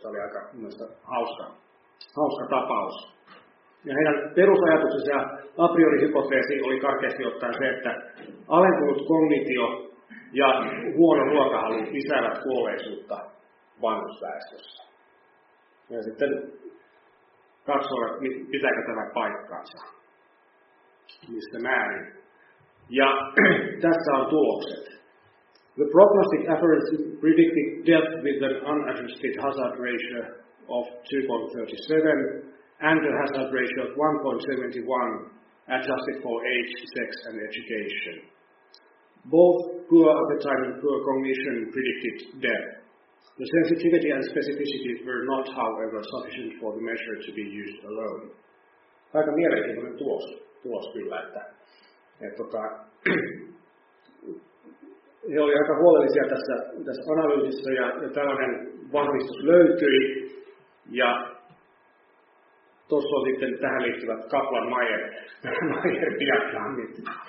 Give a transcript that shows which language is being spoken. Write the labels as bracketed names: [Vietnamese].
[Finnish] Se oli aika hauska tapaus. Ja heidän perusajatuksensa ja a priori hypoteesi oli karkeasti ottaen se, että alentunut kognitio ja huono ruokahalu lisäävät kuolleisuutta vanhusväestössä. Ja sitten katsoa, pitääkö tämä paikkaansa, mistä määrin. Ja tässä on tulokset. [English] The prognostic average predicted death with an unadjusted hazard ratio of 2.37 and a hazard ratio of 1.71 adjusted for age, sex and education. Both poor appetite and poor cognition predicted death. The sensitivity and specificity were not, however, sufficient for the measure to be used alone. [Finnish] Aika mielenkiintoinen tulos kyllä, että he oli aika huolellisia tässä analyysissä ja tällainen vahvistus löytyi. Ja tuossa on sitten tähän liittyvät Kaplan-Meier-diagrammit.